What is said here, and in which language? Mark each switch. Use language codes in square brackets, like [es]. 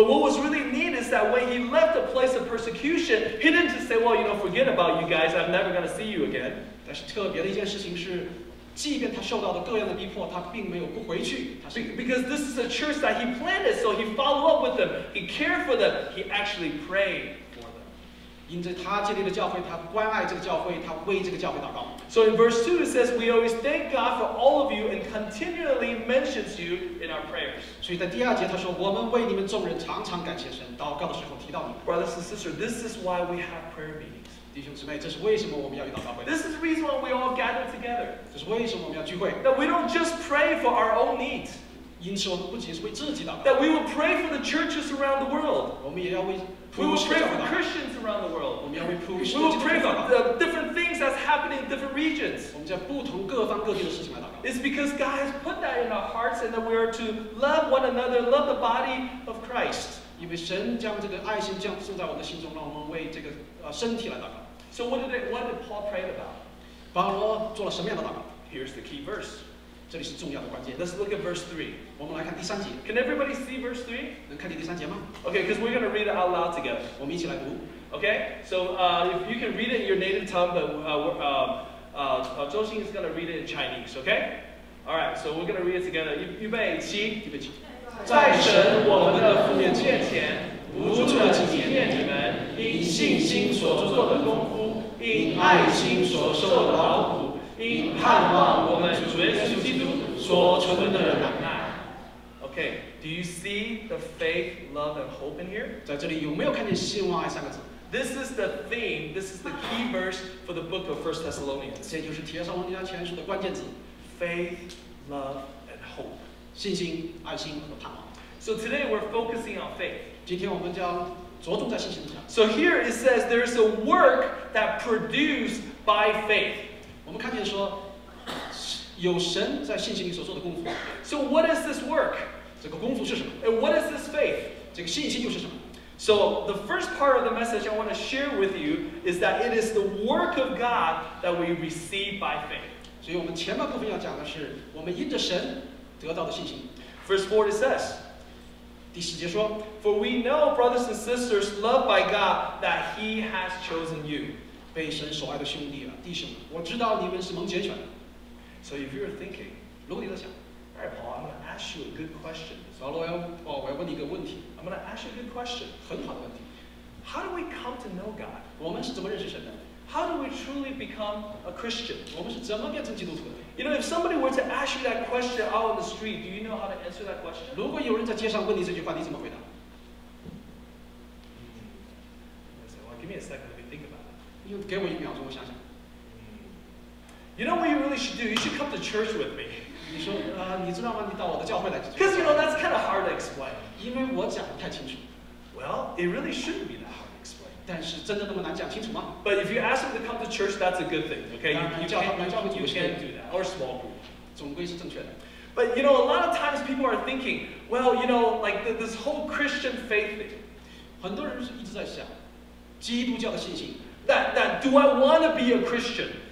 [en] But what was really neat is that when he left the place of persecution, he didn't just say, well, you know, forget about you guys, I'm never going to see you again. [zh] 但是特别的一件事情是，即便他受到的各样的逼迫，他并没有不回去。 [en] Because this is a church that he planted, so he followed up with them, he cared for them, he actually prayed for them. [zh] 因着他建立的教会，他关爱这个教会，他为这个教会祷告。 [en] So in verse 2 it says, we always thank God for all of you and continually mentions you in our prayers. [zh] 所以在第二节他说，我们为你们众人常常感谢神，祷告的时候提到你们。 [en] Brothers and sisters, this is why we have prayer meetings. [zh] 弟兄姊妹，这是为什么我们要有祷告会？ [en] This is the reason why we all gather together. [zh] 这是为什么我们要聚会？ [en] That we don't just pray for our own needs. [zh] 因此我们不仅是为自己祷告。 [en] That we will pray for the churches around the world. [zh] 我们也要为。 [en] We will pray for Christians around the world. [zh] 我们要为普世。 [en] We will pray for the different things that's happening in different regions. [zh] 我们在不同各方各地的事情来祷告。 [en] It's because God has put that in our hearts, and that we are to love one another, love the body of Christ. [zh] 因为神将这个爱心降注在我的心中，让我们为这个身体来祷告。 [en] So what did Paul pray about? [zh] 保罗做了什么样的祷告？ [en] Here's the key verse. [zh] 这里是重要的关键。 [en] Let's look at verse 3. [zh] 我们来看第三节。 [en] Can everybody see verse 3? [zh] 能看见第三节吗？ [en] Okay, because we're going to read it out loud together. [zh] 我们一起来读。 [en] Okay, so if you can read it in your native tongue, but 周星 is going to read it in Chinese, okay? All right, so we're going to read it together. [zh] 预备起。在神我们的父面前，无助的体验你们，因信心所做的功夫，因爱心所受的劳苦，因盼望我们主耶稣基督所存的忍耐。 [en] Okay, do you see the faith, love, and hope in here? [zh] 在这里有没有看见信望爱三个字？ [en] This is the theme, this is the key verse for the book of 1 Thessalonians. [zh] 这就是帖撒罗尼迦前书的关键字。 [en] Faith, love, and hope. [zh] 信心、爱心和盼望。 [en] So today we're focusing on faith. [zh] 今天我们将着重在信心上。 [en] So here it says there is a work that produced by faith. [zh] 我们看见说有神在信心里所做的功夫。 [en] So what is this work? [zh] 这个功夫是什么？ [en] And what is this faith? [zh] 这个信心又是什么？ [en] So the first part of the message I want to share with you is that it is the work of God that we receive by faith. [zh] 所以我们前半部分要讲的是我们因着神得到的信心。 [en] Verse 4 it says, [zh] 第十节说, [en] For we know, brothers and sisters, loved by God, that he has chosen you. [zh] 被神所爱的兄弟啊，弟兄们，我知道你们是蒙拣选的。 [en] So if you're thinking, [zh] 如果你在想, [en] All right, Paul, I'm going to ask you a good question. I'm going to ask you a good question. [zh] 很好的问题。 [en] How do we come to know God? [zh] 我们是怎么认识神的? [en] How do we truly become a Christian? [zh] 我们是怎么变成基督徒的? [en] You know, if somebody were to ask you that question out on the street, do you know how to answer that question? [zh] 如果有人在街上问你这句话,你怎么回答? [en] Well, give me a second, let me think about it. [zh] 给我一秒钟,我想想。 [en] You know what you really should do? You should come to church with me. [zh] 你说你知道吗？你到我的教会来。 [en] Because you know that's kind of hard to explain. [zh] 因为我讲不太清楚。 [en] Well, it really shouldn't be that hard to explain. [zh] 但是真的那么难讲清楚吗 [en] ？But if you ask them to come to church, that's a good thing. Okay, you can do that. Or small group. [zh] 总归是正确的。 [en] But you know, a lot of times people are thinking, well, you know, like this whole Christian faith thing. [zh] 很多人是一直在想，基督教的信心。 [en] That do I want to be a Christian?